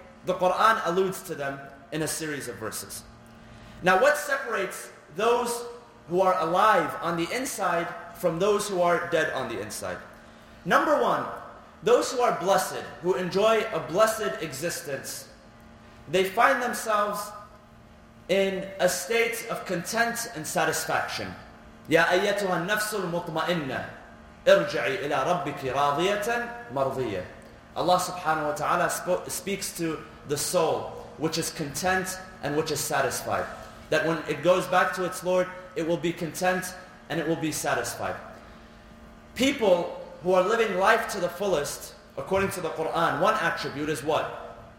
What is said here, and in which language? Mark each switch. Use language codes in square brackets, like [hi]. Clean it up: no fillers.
[en] The Quran alludes to them in a series of verses. Now what separates those who are alive on the inside from those who are dead on the inside? Number one, those who are blessed, who enjoy a blessed existence, they find themselves in a state of content and satisfaction. [ar] يا أيتها النفس المطمئنة ارجعي إلى ربك راضية مرضية. [en] Allah subhanahu wa ta'ala speaks to the soul which is content and which is satisfied. That when it goes back to its Lord, it will be content and it will be satisfied. People who are living life to the fullest, according to the Quran, one attribute is what?